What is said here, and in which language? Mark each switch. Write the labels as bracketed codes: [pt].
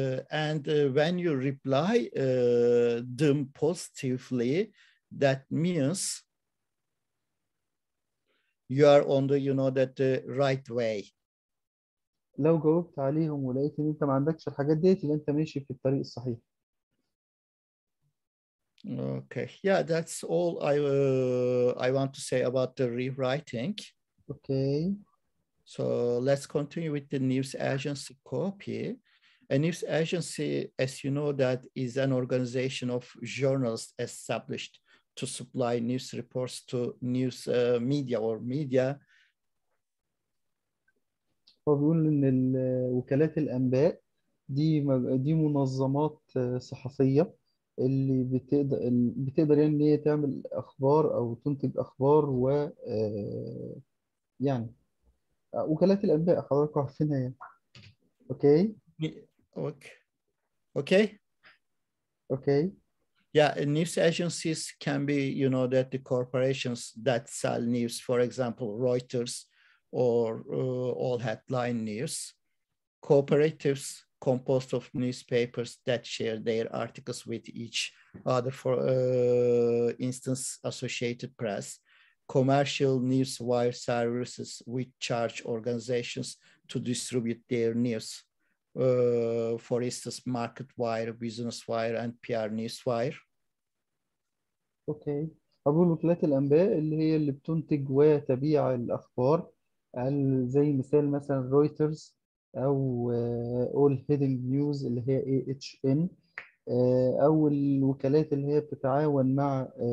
[en] And when you reply them positively, that means you are on the, you know, that right way. [ar] لو جاوبت عليهم ولقيت ان انت ما عندكش الحاجات ديت يبقى انت ماشي في الطريق الصحيح. [en] Okay, yeah, that's all I want to say about the rewriting. Okay. So let's continue with the news agency copy. A news agency, as you know, that is an organization of journalists established to supply news reports to news media or media. [ar] هو بيقول إن وكالات الأنباء دي منظمات صحفية اللي بتقدر يعني إن هي تعمل أخبار أو تنتج أخبار، و يعني وكالات الأنباء حضرتك عارفينها يعني. [en] Okay Okay. Okay Yeah, news agencies can be, you know, that the corporations that sell news, for example, Reuters or all headline news, cooperatives composed of newspapers that share their articles with each other, for instance, Associated Press, commercial news wire services which charge organizations to distribute their news, for instance, Market Wire, Business Wire, and PR News Wire. [ar] اوكي اقول وكالات الانباء اللي هي اللي بتنتج وتبيع الاخبار، زي مثال مثلا رويترز او اول هيدنج نيوز اللي هي اي اتش ان، او الوكالات اللي هي بتتعاون مع